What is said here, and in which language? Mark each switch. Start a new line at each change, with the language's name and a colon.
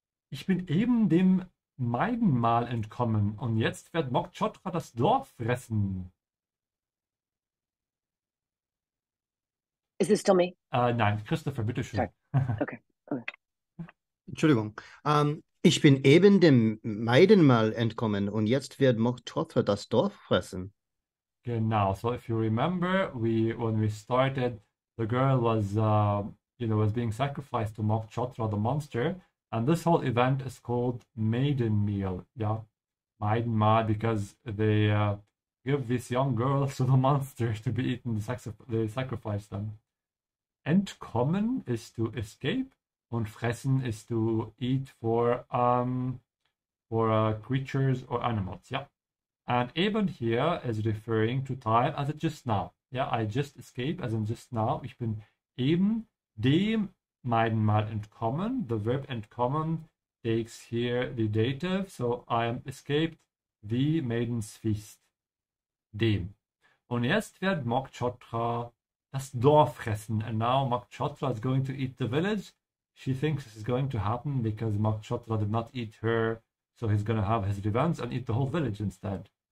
German: Ich bin eben dem Maidenmahl entkommen und jetzt wird Mok Chotra das Dorf fressen.
English: Is this Tommy?
German: Nein, Christopher, bitteschön.
English: Okay. Okay.
German: Entschuldigung. Ich bin eben dem Maidenmahl entkommen und jetzt wird Mok Chotra das Dorf fressen. Genau,
English: so if you remember, when we started, the girl was, was being sacrificed to Mok Chotra, the monster. And this whole event is called Maiden Meal, yeah? Maidenmahl, because they give this young girl to the monster to be eaten, they sacrifice them. Entkommen is to escape.
German: Und
English: fressen is to eat for creatures or animals, yeah. And eben here is referring to time as just now. Yeah, I just escaped, as in just now.
German: Ich bin eben dem Maidenmahl entkommen.
English: The verb entkommen takes here the dative. So I am escaped the maiden's feast. Dem.
German: Und jetzt wird Mok Chotra das Dorf fressen.
English: And now Mok Chotra is going to eat the village. She thinks this is going to happen because Mok Chotra did not eat her, so he's going to have his revenge and eat the whole village instead.